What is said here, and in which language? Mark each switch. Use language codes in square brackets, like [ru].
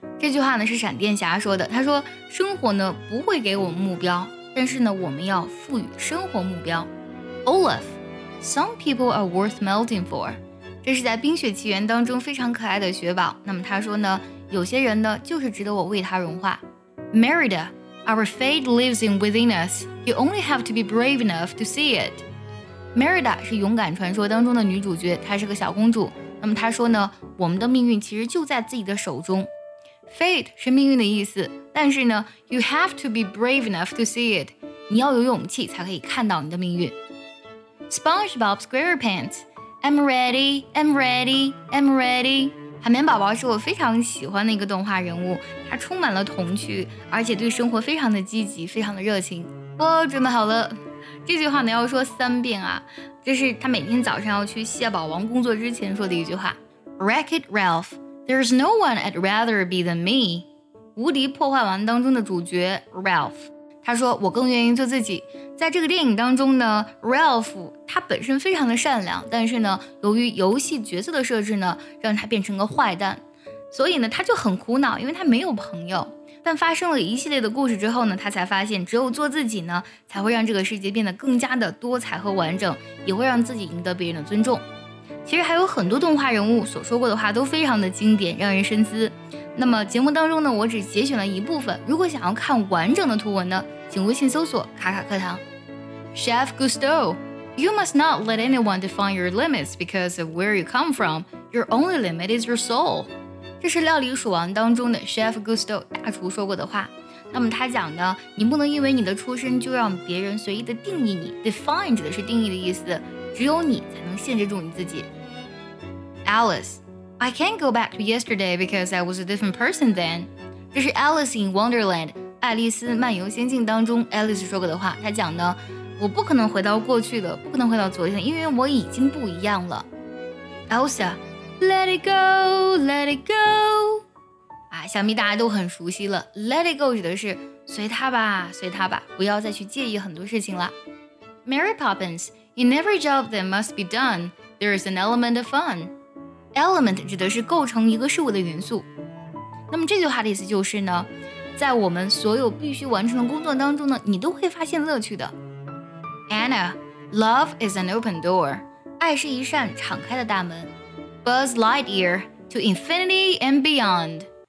[zh] 这句话呢是闪电侠说的，他说生活呢不会给我们目标，但是呢我们要赋予生活目标。 [en] Olaf, some people are worth melting for. [zh] 这是在冰雪奇缘当中非常可爱的雪宝，那么他说呢，有些人呢就是值得我为他融化。 [en] Merida,Our fate lives in within us. You only have to be brave enough to see it. [zh] Merida 是勇敢传说当中的女主角，她是个小公主。那么她说呢，我们的命运其实就在自己的手中。 [en] Fate [zh] 是命运的意思，但是呢 [en] ，you have to be brave enough to see it. [zh] 你要有勇气才可以看到你的命运。 [en] SpongeBob SquarePants, I'm ready, I'm ready, I'm ready. [zh] 海绵宝宝是我非常喜欢的一个动画人物，他充满了童趣，而且对生活非常的积极，非常的热情。哦，准备好了，这句话呢要说三遍啊，这是他每天早上要去蟹堡王工作之前说的一句话。 [en] Wreck-It Ralph, there's no one I'd rather be than me. [zh] 无敌破坏王当中的主角 Ralph， 他说我更愿意做自己。在这个电影当中呢 ，Ralph 他本身非常的善良，但是呢，由于游戏角色的设置呢，让他变成个坏蛋，所以呢，他就很苦恼，因为他没有朋友。但发生了一系列的故事之后呢，他才发现，只有做自己呢，才会让这个世界变得更加的多彩和完整，也会让自己赢得别人的尊重。其实还有很多动画人物所说过的话都非常的经典，让人深思。那么节目当中呢，我只节选了一部分，如果想要看完整的图文呢，请微信搜索卡卡课堂。 [en] Chef Gusteau, you must not let anyone define your limits because of where you come from. Your only limit is your soul. [zh] 这是料理鼠王当中的 Chef Gusteau 大厨说过的话。那么他讲呢，你不能因为你的出身就让别人随意的定义你。 Define 指的是定义的意思，只有你才能限制住你自己。 [en] Alice, I can't go back to yesterday because I was a different person then. [zh] 这是 Alice in Wonderland, 爱丽丝漫游仙境当中 Alice 说过的话。他讲呢，我不可能回到过去的，不可能回到昨天，因为我已经不一样了。 [en] Elsa, let it go, let it go. [zh] 啊，想必大家都很熟悉了。 Let it go 指的是随它吧，随它吧，不要再去介意很多事情了。 [en] Mary Poppins, in every job that must be done, there is an element of fun. [zh] Element 指的是构成一个事物的元素。那么这句话的意思就是呢，在我们所有必须完成的工作当中呢，你都会发现乐趣的。 [en] Anna, love is an open door. [zh] 爱是一扇敞开的大门。 [en] Buzz Lightyear, to infinity and beyond.